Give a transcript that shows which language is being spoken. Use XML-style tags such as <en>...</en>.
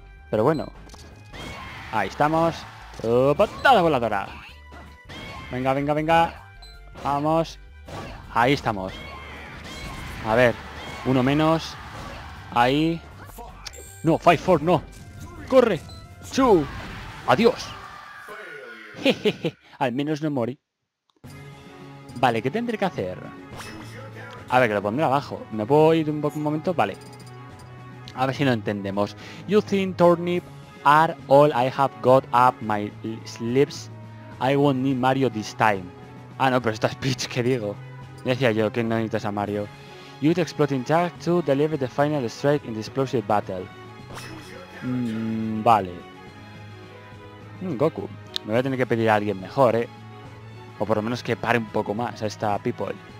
<es>Pero bueno. Ahí estamos. ¡Patada voladora! Venga, venga, venga. Vamos. Ahí estamos. A ver. Uno menos. Ahí. No, 5-4, no. ¡Corre! ¡Chu! ¡Adiós! Jejeje. Al menos no morí. Vale, ¿qué tendré que hacer? A ver, que lo pondré abajo. ¿Me puedo ir un momento? Vale. A ver si lo entendemos.</es> <en>You think turnip are all I have got up my sleeves? I won't need Mario this time.</en> <es>Ah, no, pero esta es Peach, ¿qué digo? Decía yo que no necesitas a Mario.</es> <en>You'd exploding jack to deliver the final strike in the explosive battle.</en> <es>Vale. Goku. Me voy a tener que pedir a alguien mejor, ¿eh? O por lo menos que pare un poco más a esta people.</es>